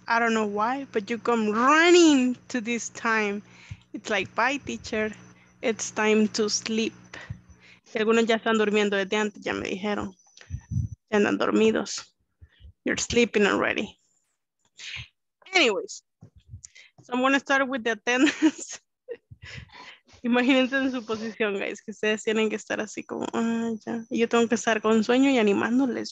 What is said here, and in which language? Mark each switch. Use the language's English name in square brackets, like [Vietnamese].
[English] I don't know why, but you come running to this time. It's like, bye, teacher. It's time to sleep. [Spanish] Y algunos ya están durmiendo desde antes, ya me dijeron. Ya andan dormidos. [English] You're sleeping already. Anyways, so I'm going to start with the attendance. [Spanish] Imagínense en su posición, guys, que ustedes tienen que estar así como, ah, ya. Y yo tengo que estar con sueño y animándoles.